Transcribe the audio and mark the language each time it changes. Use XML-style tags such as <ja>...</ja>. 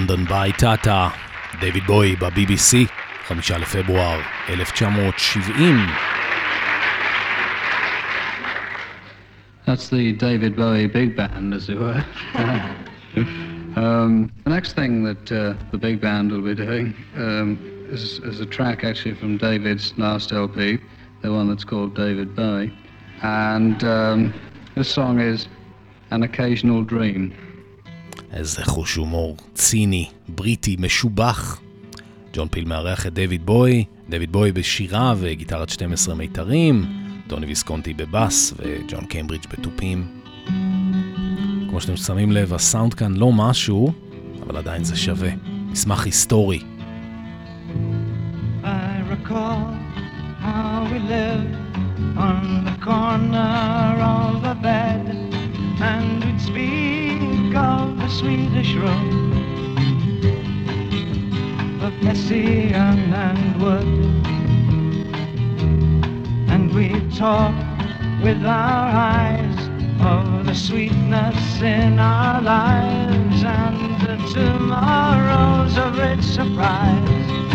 <he>היי טאטה, דיוויד בוי בבי-בי-סי, 5 לפברואר 1970.</he> <en>That's the David Bowie big band, as it were. The next thing that the big band will be doing is a track actually from David's last LP, the one that's called David Bowie. And this song is An Occasional Dream.</en> <he>איזה חוש הומור ציני, בריטי, משובח. ג'ון פיל מארח את דיוויד בוי, דיוויד בוי בשירה וגיטרת 12 מיתרים, טוני ויסקונטי בבאס וג'ון קיימברידג' בתופים. כמו שאתם שמים לב, הסאונד כאן לא משהו, אבל עדיין זה שווה. מסמך היסטורי.</he> <en>I recall how we lived on the corner of a bed and we'd speak of Swedish room, the Pessian and Wood, and we talk with our eyes of the sweetness in our lives and the tomorrows of its surprise.</en>